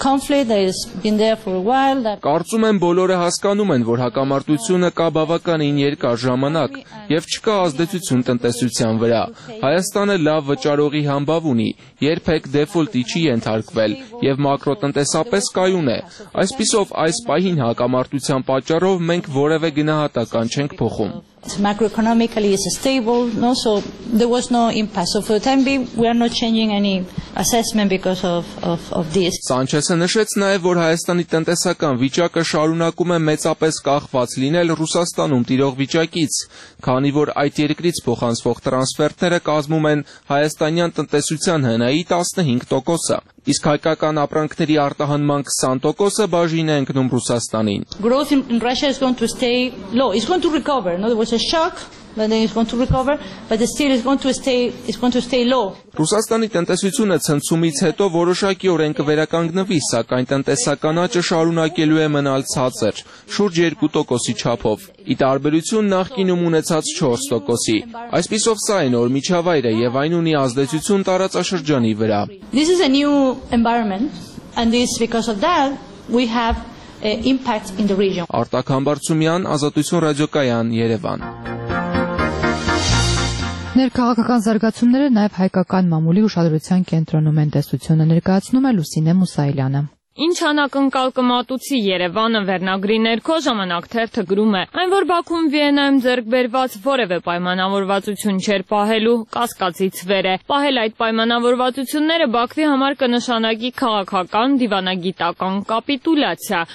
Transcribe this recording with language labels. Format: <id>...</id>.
<hy>Կարծում եմ բոլորը հասկանում են, որ հակամարտությունը կա բավականին երկար ժամանակ և չկա ազդեցություն տնտեսության վրա։ Հայաստանը լավ վճարողի համբավ ունի, երբեք դեֆոլտի չի ենթարկվել և մակրոտնտեսապես կայուն է։ Այսպիսով այս պահին հակամարտության պատճառով մենք որևէ գնահատական չենք փոխում։</hy> <en>Macroeconomically is stable, no, so there was no impasse. So for the time being, we are not changing any assessment because of this.</en> <hy>Սանչեսը նշեց նաև, որ Հայաստանի տնտեսական վիճակը շարունակում է մեծապես կախված լինել Ռուսաստանում տիրող վիճակից, քանի որ այդ երկրից փոխանցվող տրանսֆերտները կազմում են հայաստանյան տնտեսության ՀՆ-ի 15%-ը, իսկ հայկական ապրանքների արտահանման 20%-ը բաժին է ընկնում Ռուսաստանին։</hy> <en>Growth in Russia is going to stay low. It's going to recover, no? Was a shock, but then it's going to recover, but the steel is going to stay, it's going to stay low.</en> <hy>Ռուսաստանի տնտեսությունը ցնցումից հետո որոշակի օրենք վերականգնվի, սակայն տնտեսական աճը շարունակելու է մնալ ցածր, շուրջ 2%-ի չափով, ի տարբերություն նախկինում ունեցած 4%-ի։ Այսպիսով սա է նոր միջավայրը և այն ունի ազդեցություն տարածաշրջանի վրա։</hy> <en>This is a new environment, and this because of that we have impact in the region.</en> <hy>Արտակ Համբարձումյան, Ազատություն ռադիոկայան, Երևան։ Ներքաղաքական զարգացումները նաև հայկական մամուլի ուշադրության կենտրոնում են, տեսությունը ներկայացնում է Լուսինե Մուսայելյանը։ Ինչ անակնկալ կմատուցի Երևանը վերնագրի ներքո, ժամանակ թերթգրում է, այն որ Բաքուն Վիեննայում ձեռք բերված որևէ պայմանավորվածություն չէր պահելու, կասկածից վեր է։ Պահել այդ պայմանավորվածությունները Բաքվի համար կնշանակի քաղաքական դիվանագիտական կապիտուլացիա։</hy>